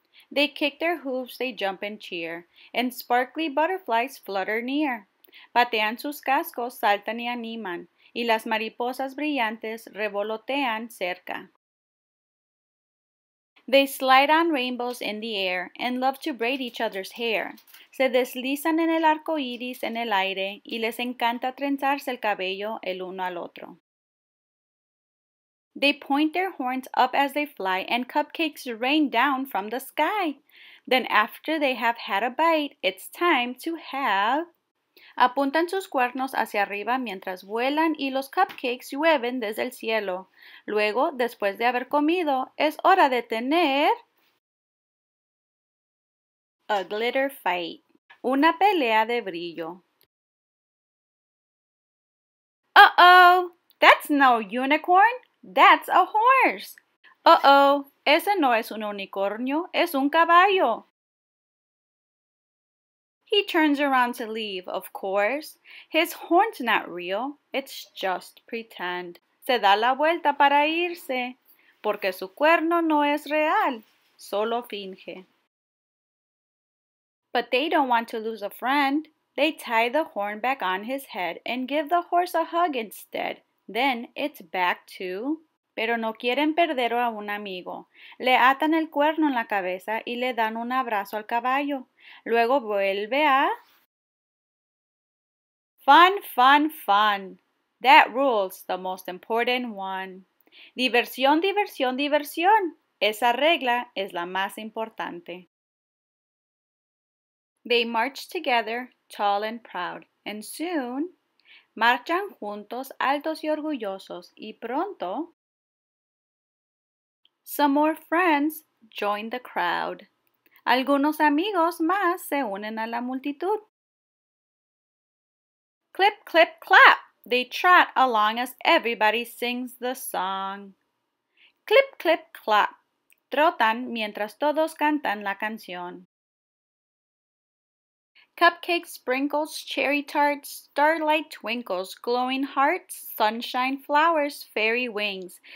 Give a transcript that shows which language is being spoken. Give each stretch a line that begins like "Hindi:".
English: They kick their hooves, they jump and cheer, and sparkly butterflies flutter near.
Spanish: Patean sus cascos, saltan y animan, y las mariposas brillantes revolotean cerca.
English: They slide on rainbows in the air and love to braid each other's hair.
Spanish: Se deslizan en el arco iris en el aire y les encanta trenzarse el cabello el uno al otro.
English: They point their horns up as they fly and cupcakes rain down from the sky. Then after they have had a bite, it's time to have...
Spanish: Apuntan sus cuernos hacia arriba mientras vuelan y los cupcakes llueven desde el cielo. Luego, después de haber comido, es hora de tener...
English: A glitter fight.
Spanish: Una pelea de brillo.
English: Uh-oh! That's no unicorn! That's a horse! Uh-oh!
Spanish: Ese no es un unicornio, es un caballo.
English: He turns around to leave, of course. His horn's not real. It's just pretend.
Spanish: Se da la vuelta para irse, porque su cuerno no es real. Solo finge.
English: But they don't want to lose a friend. They tie the horn back on his head and give the horse a hug instead. Then it's back to...
Spanish: Pero no quieren perder a un amigo. Le atan el cuerno en la cabeza y le dan un abrazo al caballo. Luego vuelve a...
English: Fun, fun, fun. That rules the most important one.
Spanish: Diversión, diversión, diversión. Esa regla es la más importante.
English: They march together, tall and proud, and soon...
Spanish: Marchan juntos, altos y orgullosos, y pronto...
English: Some more friends join the crowd.
Spanish: Algunos amigos más se unen a la multitud. Clip, clip, clap.
English: They trot along as everybody sings the song.
Spanish: Clip, clip, clap. Trotan mientras todos cantan la canción.
English: Cupcakes, sprinkles, cherry tarts, starlight twinkles, glowing hearts, sunshine, flowers, fairy wings.